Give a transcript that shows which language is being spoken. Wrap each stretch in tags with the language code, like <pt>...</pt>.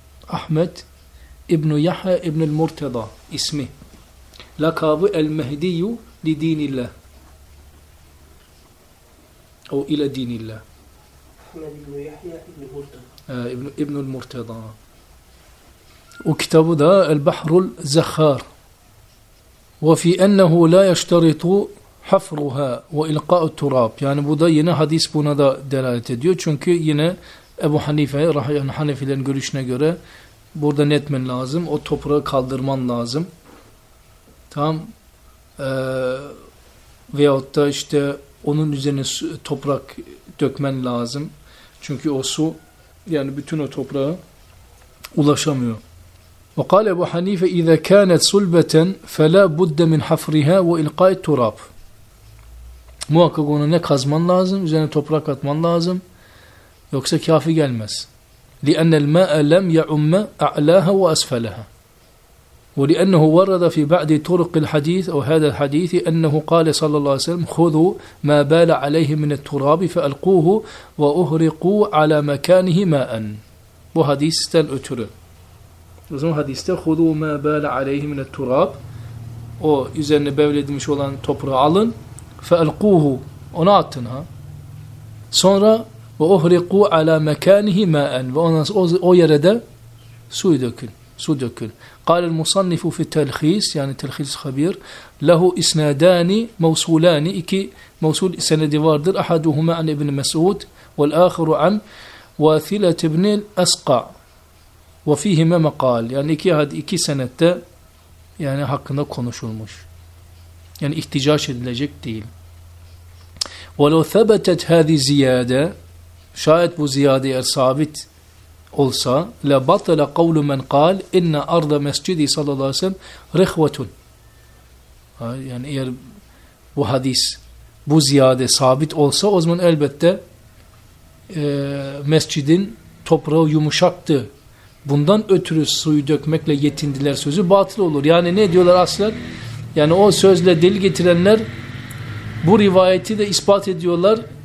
<tr>Ahmet İbn-i Yahya İbn-i Murteda ismi. Lakabı El-Mehdiyu Lidinillah. O ile dinillah. Ahmet İbn-i Yahya İbn-i Murteda. O kitabı da El-Bahrul Zahhar.</tr> <ar>وفي أنه لا يشترط حفرها وإلقاء التراب.</ar> <tr>Yani bu da yine hadis buna da delalet ediyor. Çünkü yine Ebu Hanife, yani Hanefilerin görüşüne göre burada netmen lazım. O toprağı kaldırman lazım. Tamam. Veyahut da işte onun üzerine toprak dökmen lazım. Çünkü o su yani bütün o toprağı ulaşamıyor.</tr> <ar>وقال أبو حنيفة إذا كانت صلبة فلا بد من حفرها وإلقاء التراب.</ar> <tr>Muhakkak onu ne kazman lazım, üzerine toprak atman lazım. Yoksa kafi gelmez.</tr> <ar>لِأَنَّ الْمَاءَ لَمْ يَعُمَّ أَعْلَاهَا وَأَسْفَلَهَا وَلِأَنَّهُ وَرَّدَ فِي بَعْدِ تُرُقِ الْحَدِيثِ أو هذا الحديث أنه قال صلى الله عليه وسلم خذوا ما بال عليه من التراب فألقوه وأهرقوا على مكانه ماءا.</ar> <tr>Bu hadisten ötürü. O zaman hadiste</tr> <ar>خذوا ما بال عليه من التراب,</ar> <tr>o üzerine bevledilmiş olan toprağı alın. فَأَلْقُوهُ, onu attın ha. Sonra</tr> <ar>وَأُهْرِقُوا عَلَى مَكَانِهِ مَاءً,</ar> <tr>ve ona, o yere de suyu dökün, su dökün.</tr> <ar>قَالَ الْمُصَنِّفُ فِي التَّلْخِيسِ,</ar> <tr>yani telhis habir,</tr> <ar>لَهُ إِسْنَادَانِ مَوْسُولَانِ,</ar> <tr>iki mevsul senedi vardır.</tr> <ar>اَحَدُهُمَا عَنْ اِبْنِ مَسْعُودِ وَالْآخِرُ عَنْ وَثِلَةِ اِبْنِ الْأَسْقَعِ وَفِيهِمَا مَقَالِ,</ar> <tr>yani iki hadis, iki senette yani hakkında konuşulmuş. Yani ihticaç edilecek değil.</tr> <ar>وَلَوْ ثَبَتَتْ هَذِ زِيَادَ,</ar> <tr>şayet bu ziyade eğer sabit olsa,</tr> <ar>لَبَطَلَ قَوْلُ مَنْ قَالْ اِنَّ اَرْضَ مَسْجِدِ صَلَّى اللّٰهِ سَمْ رِخْوَةٌ.</ar> <tr>Yani eğer bu hadis bu ziyade sabit olsa, o zaman elbette mescidin toprağı yumuşaktı, bundan ötürü suyu dökmekle yetindiler sözü batıl olur. Yani ne diyorlar aslen? Yani o sözle delil getirenler bu rivayeti de ispat ediyorlar.</tr>